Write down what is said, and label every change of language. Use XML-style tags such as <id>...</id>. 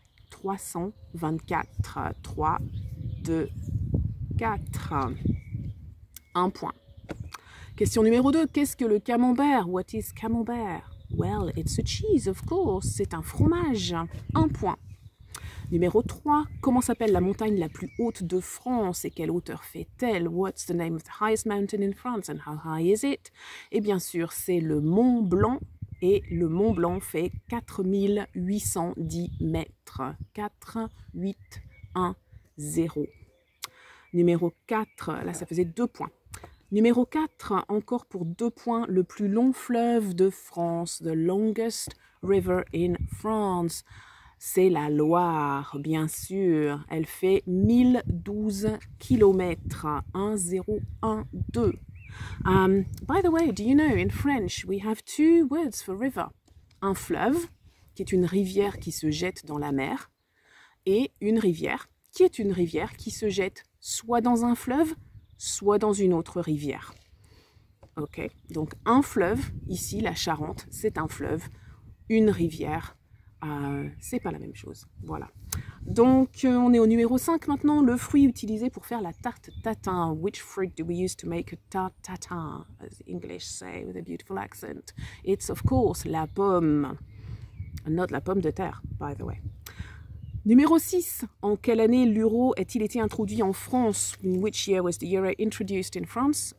<fr>324, 3, 2, 4, 1 point. Question numéro 2, qu'est-ce que le camembert?</fr> <en>What is camembert? Well, it's a cheese, of course.</en> <fr>C'est un fromage. 1 point. Numéro 3, comment s'appelle la montagne la plus haute de France et quelle hauteur fait-elle?</fr> <en>What's the name of the highest mountain in France and how high is it?</en> <fr>Et bien sûr, c'est le Mont Blanc et le Mont Blanc fait 4810 mètres. 4, 8, 1, 0. Numéro 4, là ça faisait 2 points. Numéro 4, encore pour 2 points, le plus long fleuve de France,</fr> <en>the longest river in France.</en> <fr>C'est la Loire, bien sûr. Elle fait 1012 kilomètres. 1012.</fr> <en>By the way, do you know, in French, we have two words for river.</en> <fr>Un fleuve, qui est une rivière qui se jette dans la mer, et une rivière, qui est une rivière qui se jette soit dans un fleuve, soit dans une autre rivière. Ok, donc un fleuve, ici, la Charente, c'est un fleuve, une rivière. C'est pas la même chose, voilà. Donc, on est au numéro 5 maintenant, le fruit utilisé pour faire la tarte tatin.</fr> <en>Which fruit do we use to make a tarte tatin, as the English say, with a beautiful accent? It's of course la pomme. Not la pomme de terre, by the way.</en> <fr>Numéro 6, en quelle année l'euro a-t-il été introduit en France?</fr> <en>In which year was the euro introduced in France?</en>